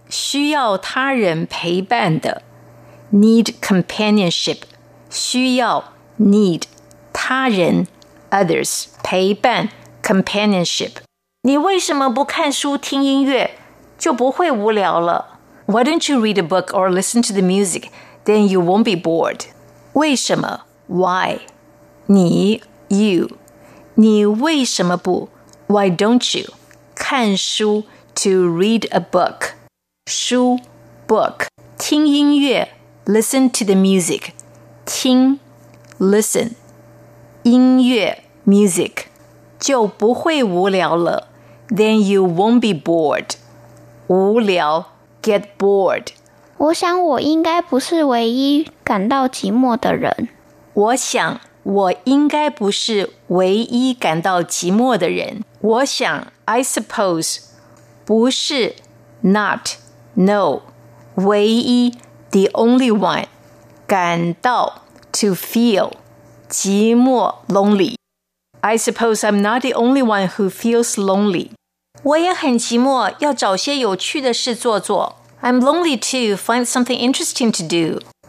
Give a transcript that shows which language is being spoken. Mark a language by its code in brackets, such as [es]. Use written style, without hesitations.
[zh] 需要他人陪伴的 [en] Need companionship, [zh] 需要 [en] need, [zh] 他人 [en] others, [zh] 陪伴 [en] companionship. [zh] 你为什么不看书听音乐，就不会无聊了。 [en] Why don't you read a book or listen to the music, then you won't be bored. [zh] 为什么 [en] why, [zh] 你 [en] you, [zh] 你为什么不 [en] why don't you, [zh] 看书 [en] to read a book, [zh] 书 [en] book, [zh] 听音乐 [en] Listen to the music. [zh] 听 [en] listen. [zh] 音乐 [en] music. [zh] 就不会无聊了。 [en] Then you won't be bored. [zh] 无聊 [en] get bored. [zh] 我想我应该不是唯一感到寂寞的人。我想我应该不是唯一感到寂寞的人。我想 [en] I suppose, [zh] 不是 [en] not, no, [zh] 唯一 [en] The only one, [zh] 感到 [en] to feel, [zh] 寂寞 [en] lonely. I suppose I'm not the only one who feels lonely. [zh] 我也很寂寞，要找些有趣的事做做。 [en] I'm lonely too, find something interesting to do.